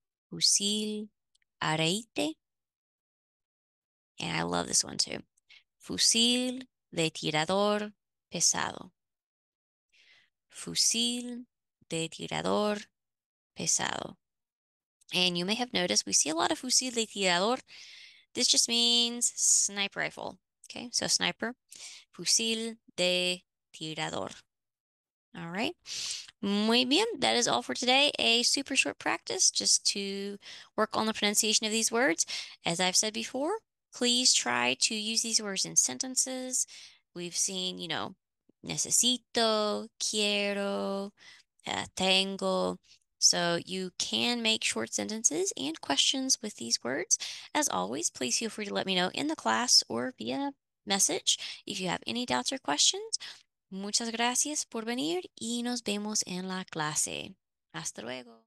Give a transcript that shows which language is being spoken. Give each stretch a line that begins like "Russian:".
English: Fusil areíte. And I love this one too.
Spanish: Fusil de tirador pesado. Fusil de tirador pesado.
English: And you may have noticed we see a lot of fusil de tirador. This just means sniper rifle. Okay, so sniper, fusil de tirador. All right,
Spanish: muy bien.
English: That is all for today. A super short practice just to work on the pronunciation of these words. As I've said before, please try to use these words in sentences. We've seen, necesito, quiero, tengo. So you can make short sentences and questions with these words. As always, please feel free to let me know in the class or via message if you have any doubts or questions.
Spanish: Muchas gracias por venir y nos vemos en la clase. Hasta luego.